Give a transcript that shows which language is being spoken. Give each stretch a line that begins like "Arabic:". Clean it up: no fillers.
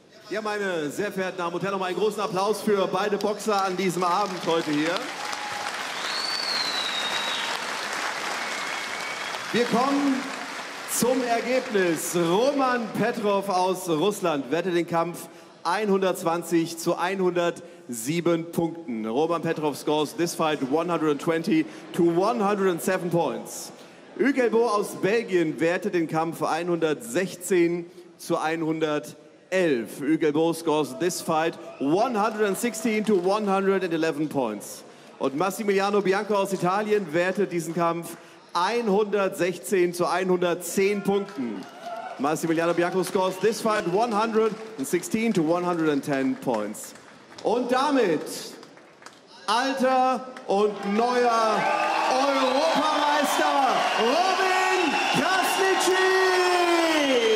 German: Ja, meine sehr verehrten Damen und Herren, nochmal einen großen Applaus für beide Boxer an diesem Abend heute hier. Wir kommen zum Ergebnis. Roman Petrov aus Russland wertet den Kampf 120 zu 107 Punkten.
English: Roman Petrov scores this fight 120 to 107 points.
German: Ugel Bo aus Belgien wertet den Kampf 116 zu 111.
English: Ugel Bo scores this fight 116 to 111 points.
German: Und Massimiliano Bianco aus Italien wertet diesen Kampf 116 zu 110 Punkten.
English: Massimiliano Bianco scores this fight 116 to 110 points.
German: Und damit alter und neuer Europameister Robin Krasnitschi!